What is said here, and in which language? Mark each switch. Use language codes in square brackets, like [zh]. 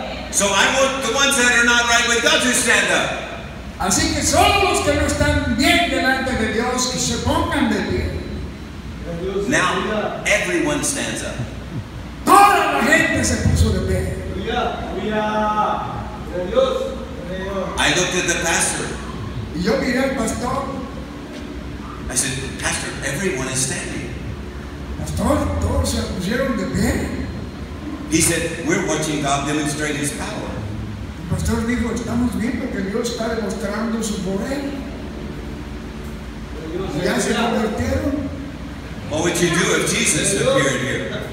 [en] So I want the ones that are not right with God to stand up. [es] Así que solo los que no están bien delante de Dios que se pongan de pie. [en] Now everyone stands up. [es] Toda la gente se puso de pie. [en] I looked at the pastor. [es] Yo miré al pastor. [en] I said, Pastor, everyone is standing. [es] Pastor, todos se pusieron de pie. [en] He said, we're watching God demonstrate his power. [es] El pastor dijo, estamos viendo que Dios está demostrando su poder. Ya se convirtieron. [en] What would you do if Jesus appeared here?